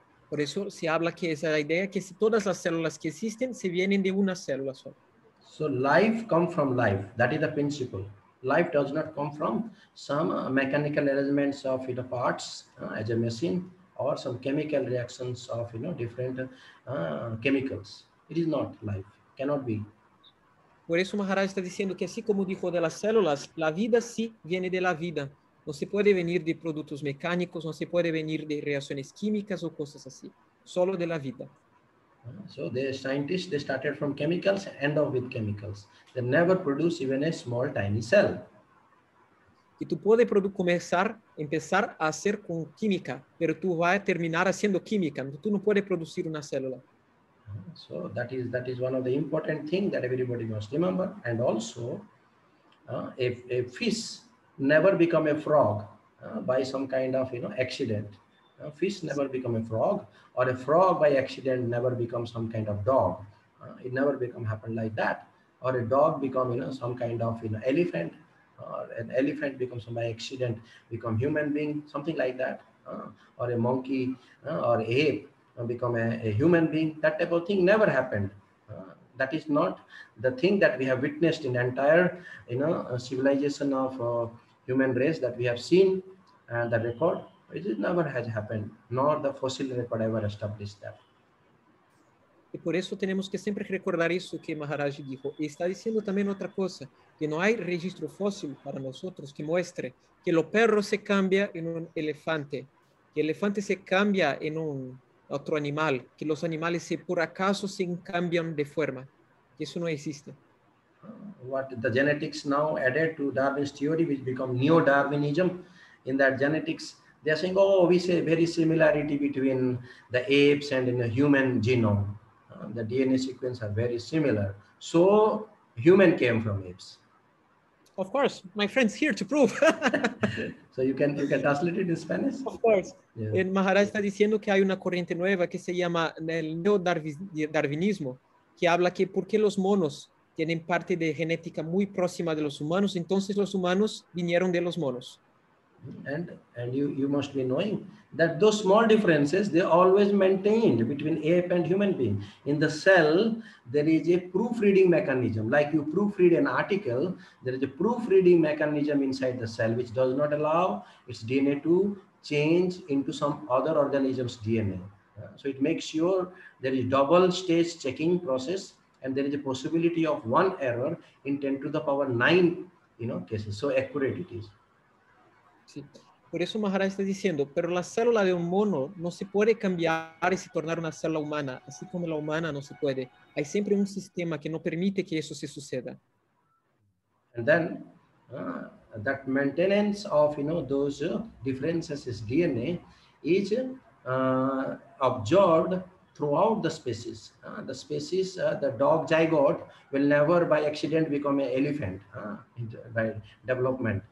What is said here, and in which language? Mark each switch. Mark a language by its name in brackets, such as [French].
[Spanish] Por eso se habla que esa idea que si todas las células que existen se vienen de una célula sola. [English] So life comes from life. That is the principle. Life does not come from some mechanical arrangements of its parts as a machine or some chemical reactions of, you know, different chemicals. It is not life. Cannot be. [Spanish] Por eso Maharaj está diciendo que así como dijo de las células, la vida sí viene de la vida. No se puede venir de productos mecánicos, no se puede venir de reacciones químicas o cosas así. Solo de la vida. [English] So the scientists, they started from chemicals, end up with chemicals. They never produce even a small, tiny cell. [Spanish] Y tú puedes empezar a hacer con química, pero tú vas a terminar haciendo química. Tú no puedes producir una célula. [English] So that is one of the important things that everybody must remember. And also, a fish never become a frog by some kind of, you know, accident. A fish never become a frog, or a frog by accident never become some kind of dog. It never become happen like that. Or a dog become, you know, some kind of, you know, elephant, or an elephant becomes by accident become human being, something like that. Or a monkey or ape become a human being. That type of thing never happened. That is not the thing that we have witnessed in entire, you know, civilization of human race that we have seen and the record. It never has happened, nor the fossil record ever established that. [Spanish] Y por eso tenemos que siempre recordar eso que Maharaj dijo. Y está diciendo también otra cosa, que no hay registro fósil para nosotros que muestre que los perros se cambia en un elefante, que el elefante se cambia en un otro animal, que los animales se por acaso se cambian de forma. Eso no existe. [English] What the genetics now added to Darwin's theory, which become neo-Darwinism, in that genetics, they are saying, oh, we say very similarity between the apes and in the human genome. The DNA sequence are very similar. So human came from apes. Of course, my friend's here to prove. So you can translate it in Spanish? Of course. Yeah. [Spanish] En Maharaj está diciendo que hay una corriente nueva que se llama el neo-darwinismo, que habla que por qué los monos tienen parte de genética muy próxima de los humanos, entonces los humanos vinieron de los monos. [English] And you must be knowing that those small differences, they always maintained between ape and human being. In the cell, there is a proofreading mechanism. Like you proofread an article, there is a proofreading mechanism inside the cell, which does not allow its DNA to change into some other organism's DNA. So it makes sure there is double stage checking process, and there is a possibility of one error in 10 to the power 9, you know, cases. So accurate it is. [Spanish] Sí. Por eso Maharaj está diciendo, pero la célula de un mono no se puede cambiar y se tornar una célula humana, así como la humana no se puede. Hay siempre un sistema que no permite que eso se suceda. [English] And then that maintenance of, you know, those differences in DNA is absorbed throughout the species. The species, the dog zygote will never by accident become an elephant by development.